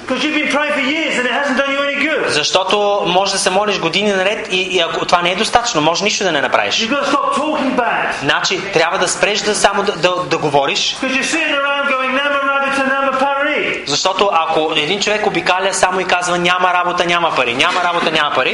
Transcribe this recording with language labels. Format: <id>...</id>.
<en>Because you've been praying for years and it hasn't done you any good.</en> <bg>Защото може да се молиш години наред и ако това не е достатъчно, може нищо да не направиш.</bg> <en>You've got to stop talking bad.</en> <bg>Значи, трябва да спреш да само да говориш.</bg> <en>Because you're sitting around going never ready to never pari.</en> <bg>Защото ако един човек обикаля само и казва няма работа, няма пари, няма работа, няма пари.</bg>